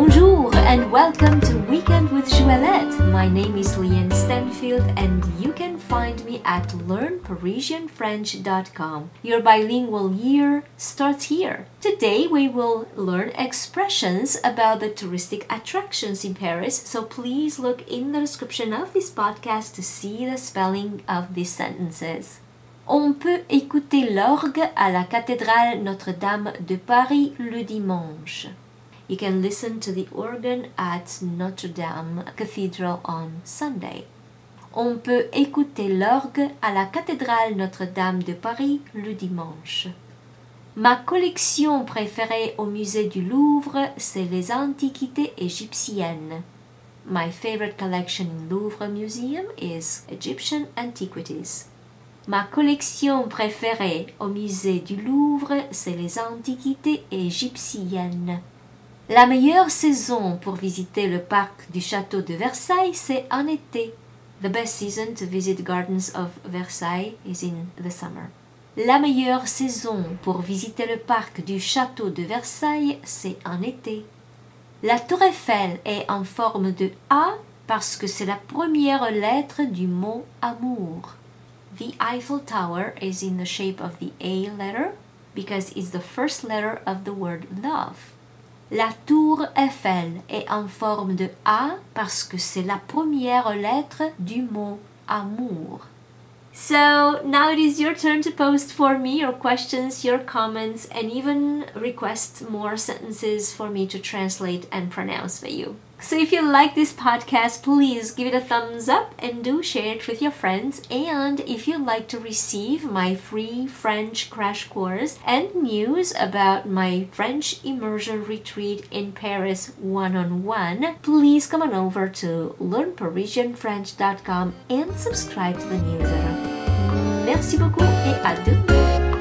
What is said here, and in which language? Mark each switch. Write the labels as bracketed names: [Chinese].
[English] Joëlette, my name is Leanne Stanfield and you can find me at learnparisianfrench.com. Your bilingual year starts here. Today we will learn expressions about the touristic attractions in Paris, so please look in the description of this podcast to see the spelling of these sentences. [French] On peut écouter l'orgue à la cathédrale Notre-Dame de Paris le dimanche. [English] You can listen to the organ at Notre Dame Cathedral on Sunday. [French] On peut écouter l'orgue à la cathédrale Notre-Dame de Paris le dimanche. Ma collection préférée au musée du Louvre, c'est les antiquités égyptiennes. [English] My favorite collection in Louvre Museum is Egyptian antiquities. [French] Ma collection préférée au musée du Louvre, c'est les antiquités égyptiennes. La meilleure saison pour visiter le parc du château de Versailles, c'est en été. [English] The best season to visit the gardens of Versailles is in the summer. [French] La meilleure saison pour visiter le parc du château de Versailles, c'est en été. La tour Eiffel est en forme de A parce que c'est la première lettre du mot amour. [English] The Eiffel Tower is in the shape of the A letter because it's the first letter of the word love. [French] La tour Eiffel est en forme de A parce que c'est la première lettre du mot amour. [English] So, now it is your turn to post for me your questions, your comments, and even request more sentences for me to translate and pronounce for you. So, if you like this podcast, please give it a thumbs up and do share it with your friends. And if you'd like to receive my free French crash course and news about my French immersion retreat in Paris one-on-one, please come on over to learnparisianfrench.com and subscribe to the newsletter. [French] Merci beaucoup et à demain!